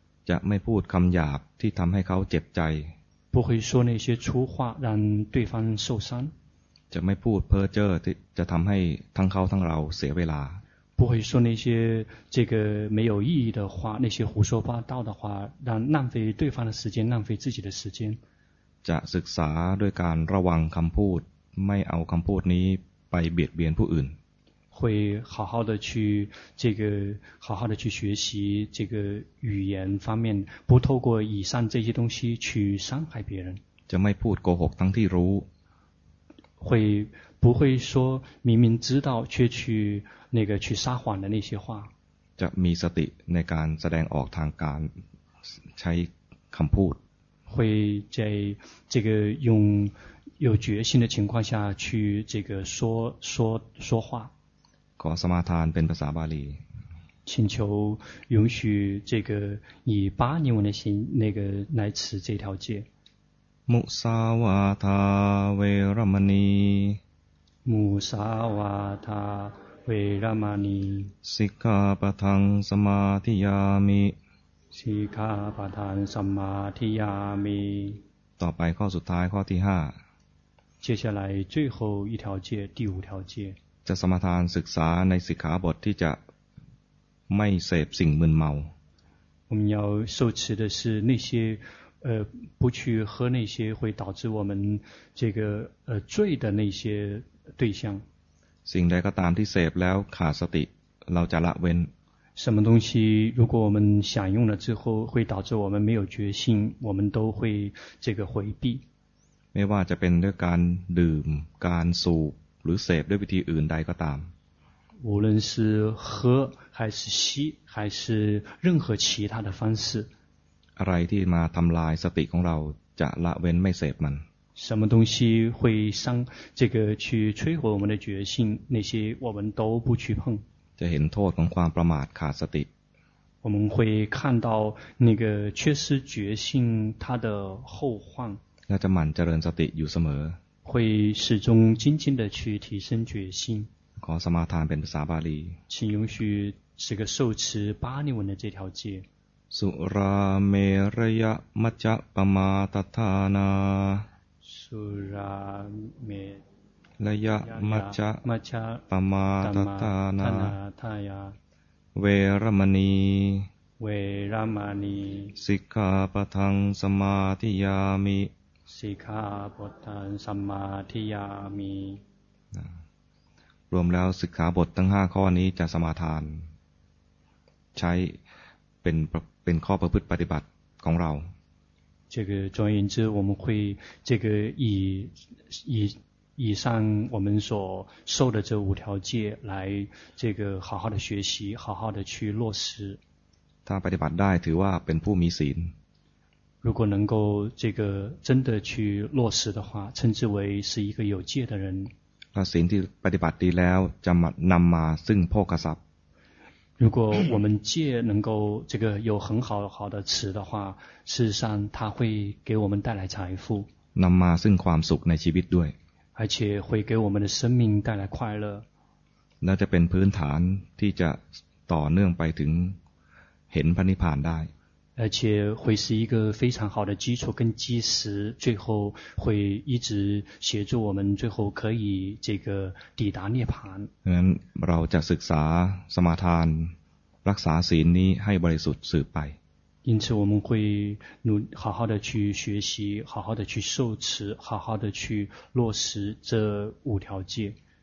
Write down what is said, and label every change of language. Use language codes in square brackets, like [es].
[th] จะไม่พูดคำหยาบที่ทำให้เขาเจ็บใจ [zh] 不会说那些粗话让对方受伤 [th] จะไม่พูดเพ้อเจ้อที่จะทำให้ทั้งเขาทั้งเราเสียเวลา [zh] 不会说那些这个没有意义的话那些胡说八道的话让浪费对方的时间浪费自己的时间 [th] จะศึกษาด้วยการระวังคำพูดไม่เอาคำพูดนี้ไปเบียดเบียนผู้อื่น [zh] 会好好的去这个好好的去学习这个语言方面不透过以上这些东西去伤害别人 [th] จะไม่พูดโกหกทั้งที่รู้ [zh] 会不会说明明知道却去那个去撒谎的那些话 [th] จะมีสติในการแสดงออกทางการใช้คำพูด [zh] 会在这个用有决心的情况下去这个说话。 [th] ขอสมาทานเป็นภาษาบาลี。 [zh] 请求允许这个以巴利文的形那个来持这条戒。 [pi] มุสาวาทาเวรมณี。 มุสาวาทาเวรมณี。 สิกขาปะทังสมาธิยามิ สิกขาปัฏฐานสัมมาทิยามิ [th] ต่อไปข้อสุดท้ายข้อที่5 [zh] 接下来最后一条戒第五条戒 [th] จะสมาทานศึกษาในสิกขาบทที่จะไม่เสพสิ่งมึนเมา [zh] 我们要受持的是那些不去喝那些会导致我们这个醉的那些对象 [th] สิ่งใดก็ตามที่เสพแล้วขาดสติเราจะละเว้น [zh] 什么东西如果我们享用了之后会导致我们没有决心我们都会这个回避 [th] ไม่ว่าจะเป็นด้วยการดื่มการสูบหรือเสพด้วยวิธีอื่นใดก็ตาม [zh] 无论是喝还是吸还是任何其他的方式 [th] อะไรที่มาทำลายสติของเราจะละเว้นไม่เสพมัน [zh] 什么东西会伤这个去摧毁我们的决心那些我们都不去碰 [th] จะเห็นโทษของความประมาทขาดสติ [zh] 我们会看到那个缺失决心它的后患 [th] และจะหมั่นเจริญสติอยู่เสมอ [zh] 会始终精进的去提升决心 [th] ขอสมาทานเป็นภาษาบาลี [zh] 请允许这个受持巴利文的这条戒 [pi] สุราเมระยะมัจจปมาตทานา สุราเม ระยะมัจ จะ ปมาตทานา ทายา เวรมณี เวรมณี สิกขาปะทังสมาธิยามิ สิกขาปะทังสมาธิยามิ [th] รวมแล้วสิกขาบททั้ง5ข้อนี้จะสมาทานใช้เป็นข้อประพฤติปฏิบัติของเรา [zh] 这个总而言之我们会这个以上我们所受的这五条戒来这个好好的学习好好的去落实 [th] ถ้าปฏิบัติได้ถือว่าเป็นผู้มีศีล [zh] 如果能够这个真的去落实的话称之为是一个有戒的人 [th] แล้วศีลที่ปฏิบัติดีแล้วจะนำมาซึ่งโภคทรัพย์ [zh] 如果我们戒能够这个有很好的持的话事实上它会给我们带来财富 [th] นำมาซึ่งความสุขในชีวิตด้วย [zh] 而且会给我们的生命带来快乐 [th] 那จะเป็นพื้นฐานที่จะต่อเนื่องไปถึงเห็นพระนิพพานได้ [zh] 而且会是一个非常好的基础跟基石最后会一直协助我们最后可以这个抵达涅槃 [th] งั้นเราจะศึกษาสมาทานรักษาศีลนี้ให้บริสุทธิ์สืบไป [zh] 因此我们会努好好的去学习，好好的去受持，好好的去落实这五条戒。